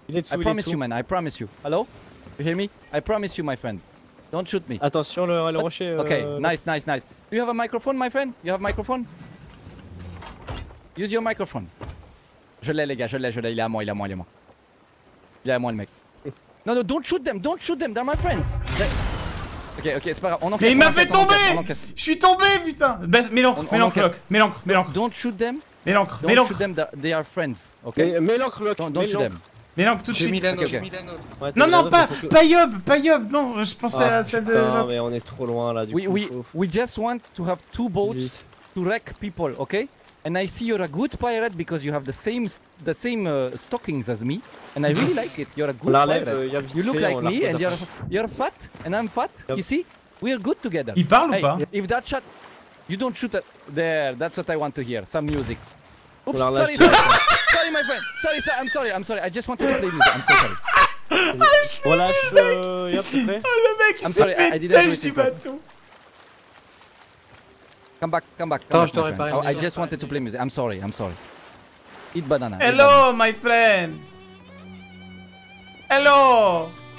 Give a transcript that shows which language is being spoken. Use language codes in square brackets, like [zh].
[fr] Il est dessous, [en] I promise you, man. Hello? You hear me? I promise you, my friend. Don't shoot me. [fr] Attention, le rocher. [en] Ok, nice. You have a microphone, my friend? You have a microphone? Use your microphone. [fr] Je l'ai, les gars, il est à moi. Il est à moi, le mec. Non, non, [en] don't shoot them, they're my friends. [fr] Ok, c'est pas grave, on encaisse. Mais il m'a fait tomber! Je suis tombé, putain! Mets l'encre, Locke! [en] Don't shoot them! [fr] Mets l'encre! [en] They are friends, ok? [fr] Mets l'encre, Locke! [en] Don't shoot them! [fr] Mets l'encre tout de suite! J'ai mis l'anneau, [en] okay. [fr] Ouais, non, non, pas Yob! Non, je pensais à celle de. Non, mais on est trop loin là, du coup. [en] We just want to have two boats to wreck people, ok? And I see you're a good pirate because you have the same stockings as me, and I really like it. You're a good pirate. You look like me, and you're fat, and I'm fat. Yep. You see, we are good together. [fr] Il parle hey, ou pas? [en] If that shot, you don't shoot at there. That's what I want to hear. Some music. Oops, sorry, my friend. Sorry, I'm sorry. I just wanted to play music. I'm so sorry. [fr] Voilà, le mec, il s'est fait têche du bateau. [en] come back. [fr] Attends, je te réparer. [en] Oh, I just wanted to play music. I'm sorry. Eat banana. Hello, my friend. Hello.